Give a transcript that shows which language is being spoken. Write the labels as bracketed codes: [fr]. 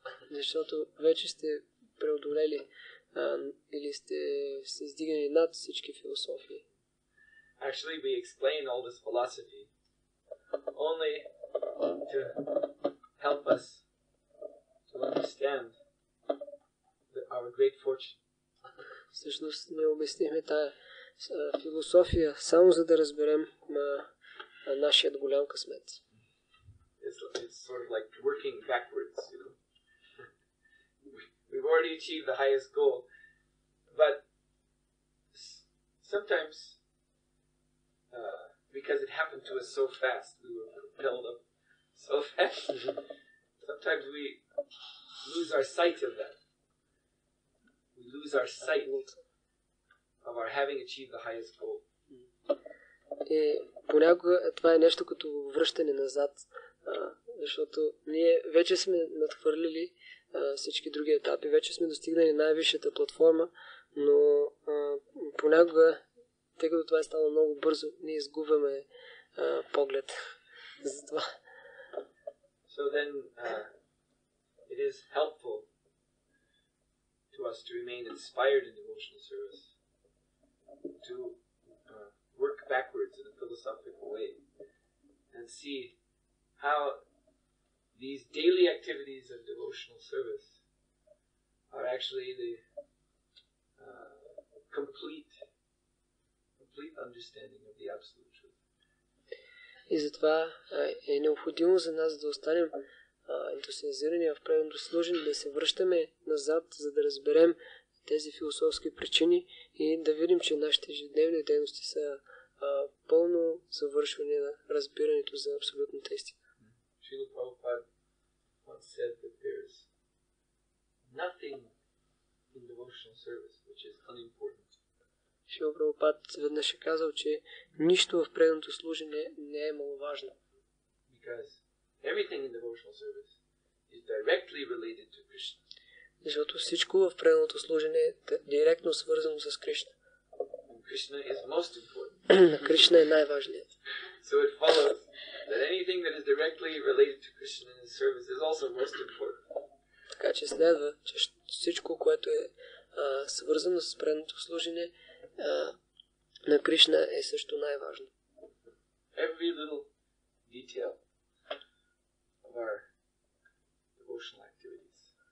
[bg] Защото вече сте преодолели или сте се издигнали над всички философии. [en] Actually, we explain all this philosophy only to help us to understand our great fortune. [bg] Всъщност ние обяснихме тая философия само за да разберем нашият голям късмет. [en] It's sort of like working backwards, you know. We've already achieved the highest goal, but sometimes, because it happened to us so fast, we were propelled up so fast, sometimes we lose our sight of that. We lose our sight of our having achieved the highest goal. [bg] И понякога това е нещо като връщане назад, защото ние вече сме надхвърлили всички други етапи, вече сме достигнали най-висшата платформа, но понякога, тъй като това е станало много бързо, ние изгубваме поглед за това. [en] So then, it is helpful to us to remain inspired in devotional service, to work backwards in a philosophical way and see how these daily activities of devotional service are actually the complete understanding of the absolute truth. [bg] И затова е необходимо за нас да останем ентусиазирани в правилното служение, да се връщаме назад, за да разберем тези философски причини и да видим, че нашите ежедневни дейности са пълно завършване на разбирането за абсолютната истина. [en] Шрила Прабхупада once said that there is nothing in devotional service which is unimportant. [bg] Шрила Прабхупада веднъж е казал, че нищо в преданото служене не е маловажно. [en] Because everything in devotional service is directly related to Krishna. [bg] Защото всичко в преданото служене е директно свързано с Кришна. [en] Krishna is most important. [bg] Кришна е най-важният. [en] So it follows that anything that is directly related to Krishna in his service is also most important. [bg] Така че следва, че всичко, което е свързано с преданото служене на Кришна, е също най-важно. [en] Every little detail of our devotional activities.